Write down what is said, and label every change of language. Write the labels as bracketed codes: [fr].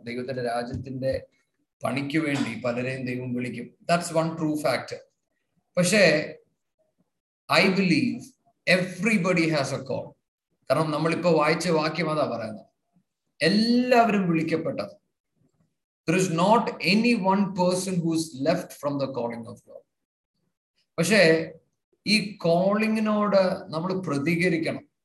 [ml] ദൈവത്തിൻ്റെ രാജ്യത്തിൻ്റെ പണിക്ക് വേണ്ടി പലരെയും ദൈവം വിളിക്കും. [en] That's one true fact. [ml] പക്ഷേ [en] I believe everybody has a call. [ml] കാരണം നമ്മളിപ്പോൾ വായിച്ച വാക്യം അതാ പറയുന്നത്, എല്ലാവരും വിളിക്കപ്പെട്ടത്. [en] There is not any one person who is left from the calling of God. [ml] പക്ഷേ ഈ കോളിങ്ങിനോട് നമ്മൾ പ്രതികരിക്കണം.